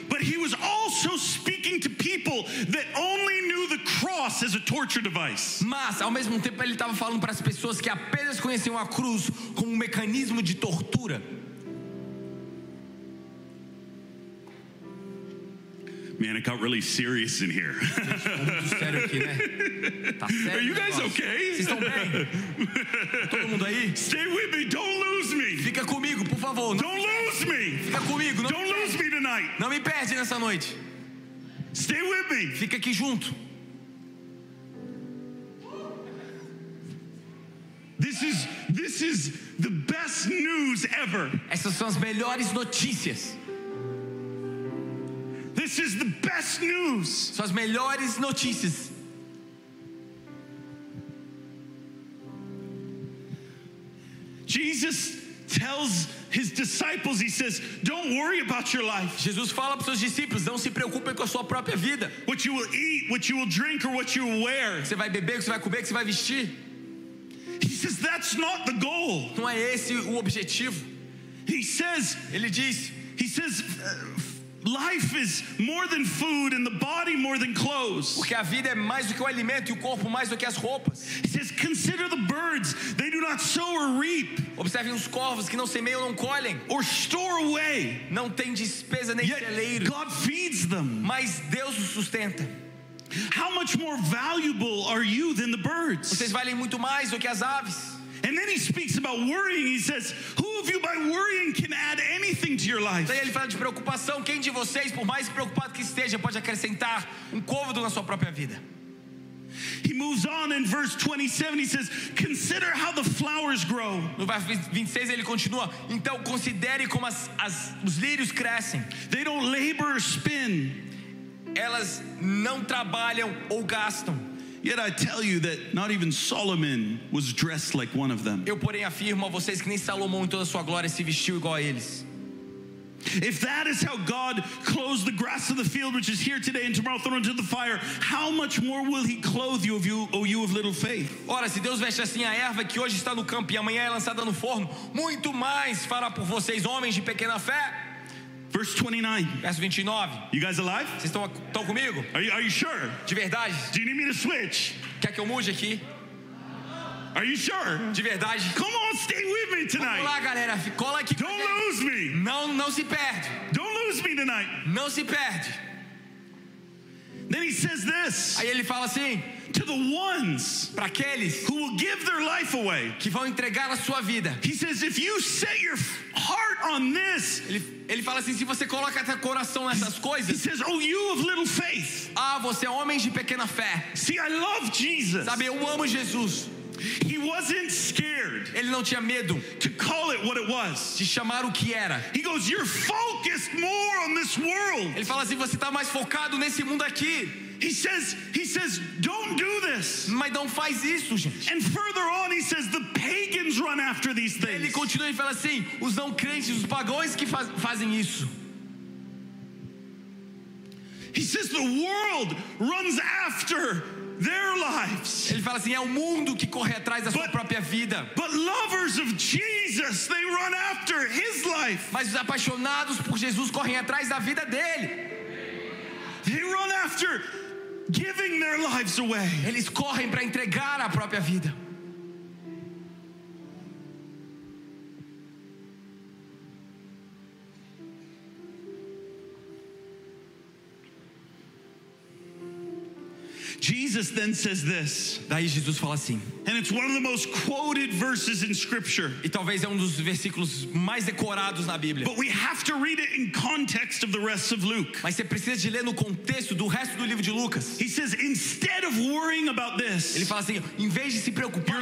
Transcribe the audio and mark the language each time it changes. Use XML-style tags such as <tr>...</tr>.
<en>But he was also speaking to people that only knew the cross as a torture device.</en> <pt>Mas, ao mesmo tempo, ele estava falando para as pessoas que apenas conheciam a cruz como um mecanismo de tortura.</pt> <en>Man, it got really serious in here. Are you guys okay?</en> <pt>Todo mundo aí?</pt> <en>Stay with me. Don't lose me.</en> <pt>Fica comigo, por favor.</pt> <en>Don't lose me.</en> <pt>Fica comigo.</pt> <en>Don't lose me tonight.</en> <pt>Não me perde nessa noite.</pt> <en>Stay with me.</en> <pt>Fica aqui junto.</pt> <en>This is the best news ever.</en> <pt>Essas são as melhores notícias.</pt> <en>This is the best news.</en> <pt>São as melhores notícias.</pt> <en>Jesus tells his disciples, he says, "Don't worry about your life."</en> <pt>Jesus fala para seus discípulos, não se preocupem com a sua própria vida.</pt> <en>What you will eat, what you will drink, or what you will wear.</en> <pt>Você vai beber, você vai comer, você vai vestir.</pt> <en>He says, "That's not the goal."</en> <pt>Não é esse o objetivo.</pt> <en>He says,</en> <pt>ele diz,</pt> <en>he says, "Life is more than food, and the body more than clothes."</en> <pt>Porque a vida é mais do que o alimento e o corpo mais do que as roupas.</pt> <en>He says, "Consider the birds; they do not sow or reap."</en> <pt>Observem os corvos que não semeiam, não colhem.</pt> <en>Or store away.</en> <pt>Não tem despesa nem celeiro.</pt> <en>God feeds them.</en> <pt>Mas Deus os sustenta.</pt> <en>How much more valuable are you than the birds?</en> <pt>Vocês valem muito mais do que as aves.</pt> <en>And then he speaks about worrying. He says, "Who of you, by worrying, can add anything to your life?"</en> <pt>Daí ele fala de preocupação. Quem de vocês, por mais preocupado que esteja, pode acrescentar um côvado na sua própria vida?</pt> <en>He moves on in verse 27. He says, "Consider how the flowers grow."</en> <pt>No verso 26 ele continua. Então considere como os lírios crescem.</pt> <en>They don't labor or spin.</en> <pt>Elas não trabalham ou gastam.</pt> <en>Yet I tell you that not even Solomon was dressed like one of them.</en> <pt>Eu porém afirmo a vocês que nem Salomão em toda sua glória se vestiu igual a eles.</pt> <en>If that is how God clothes the grass of the field, which is here today and tomorrow thrown into the fire, how much more will He clothe you, you of little faith?</en> <pt>Ora, se Deus veste assim a erva que hoje está no campo e amanhã é lançada no forno, muito mais fará por vocês homens de pequena fé.</pt> <en>Verse 29.</en> <pt>Verso 29.</pt> <en>You guys alive?</en> <pt>Vocês estão comigo?</pt> <en>Are you sure?</en> <pt>De verdade?</pt> <en>Do you need me to switch?</en> <pt>Quer que eu mude aqui?</pt> <en>Are you sure?</en> <pt>De verdade?</pt> <en>Come on, stay with me tonight.</en> <pt>Vamos lá, galera. Cola aqui.</pt> <en>Don't lose me.</en> <pt>Não se perde.</pt> <en>Don't lose me tonight.</en> <pt>Não se perde.</pt> <en>Then he says this.</en> <pt>Aí ele fala assim.</pt> <en>To the ones,</en> <pt>para aqueles</pt> <en>who will give their life away,</en> <pt>que vão entregar a sua vida.</pt> <en>He says, if you set your heart on this,</en> <pt>ele fala assim, se você coloca teu coração nessas coisas.</pt> <en>He says, oh, you of little faith,</en> <pt>ah, você é homem de pequena fé.</pt> <en>See, I love Jesus.</en> <pt>Sabe, eu amo Jesus.</pt> <en>He wasn't scared.</en> <pt>Ele não tinha medo</pt> <en>to call it what it was.</en> <pt>De chamar o que era.</pt> <en>He goes, you're focused more on this world.</en> <pt>Ele fala assim, você tá mais focado nesse mundo aqui.</pt> <en>He says, don't do this.</en> <pt>Mas não faz isso, gente.</pt> <en>And further on, he says, the pagans run after these things.</en> <pt>Ele continua e fala assim, os não crentes, os pagões que fazem isso.</pt> <en>He says, the world runs after their lives.</en> <pt>Ele fala assim, é o mundo que corre atrás da sua própria vida.</pt> <en>But lovers of Jesus, they run after His life.</en> <pt>Mas os apaixonados por Jesus correm atrás da vida dele.</pt> <en>They run after giving their lives away.</en> <pt>Eles correm para entregar a própria vida.</pt> <en>Jesus then says this.</en> <pt>Daí Jesus fala assim.</pt> <en>And it's one of the most quoted verses in Scripture.</en> <pt>E talvez é um dos versículos mais decorados na Bíblia.</pt> <en>But we have to read it in context of the rest of Luke.</en> <pt>Mas você precisa de ler no contexto do resto do livro de Lucas.</pt> <en>He says, instead of worrying about this.</en> <pt>Ele fala assim, em vez de se preocupar</pt>